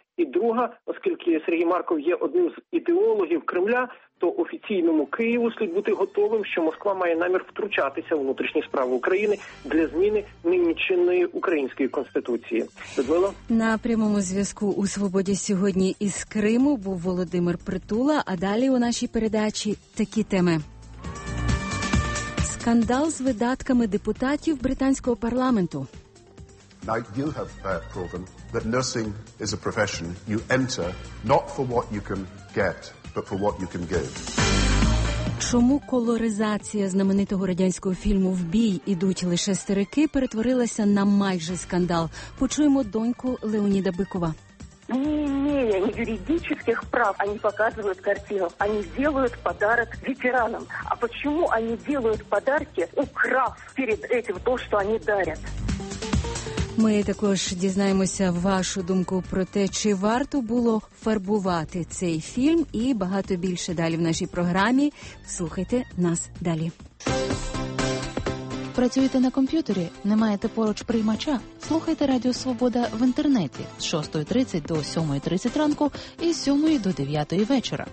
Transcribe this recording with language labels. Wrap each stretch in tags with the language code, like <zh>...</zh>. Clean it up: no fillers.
<uk>І друга, оскільки Сергій Марков є одним з ідеологів Кремля, то офіційному Києву слід бути готовим, що Москва має намір втручатися в внутрішні справи України для зміни нині чинної української конституції. Людмила? На прямому зв'язку у «Свободі» сьогодні із Криму був Володимир Притула, а далі у нашій передачі такі теми. Скандал з видатками депутатів британського парламенту.</uk> <en>Now you have proven that nursing is a profession you enter not for what you can get, but for what you can give.</en> <uk>Чому колоризація знаменитого радянського фільму «В бій ідуть лише старики» перетворилася на майже скандал? Почуємо доньку Леоніда Бикова.</uk> <ru>Они юридических прав, они показывают картину, они делают подарок ветеранам. А почему они делают подарки, украв перед этим то, что они дарят?</ru> <uk>Ми також дізнаємося вашу думку про те, чи варто було фарбувати цей фільм і багато більше далі в нашій програмі. Слухайте нас далі. Працюєте на комп'ютері? Не маєте поруч приймача? Слухайте Радіо Свобода в інтернеті з 6:30 до 7:30 ранку і з 7 до 9 вечора.</uk>